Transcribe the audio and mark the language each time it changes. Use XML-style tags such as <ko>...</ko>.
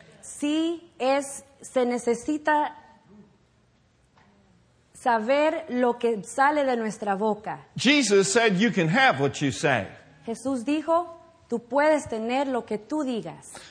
<es>Sí, es, se necesita saber lo que sale de nuestra boca.</es> <en>Jesus said you can have what you say.</en> <es>Jesús dijo, tú puedes tener lo que tú digas.</es>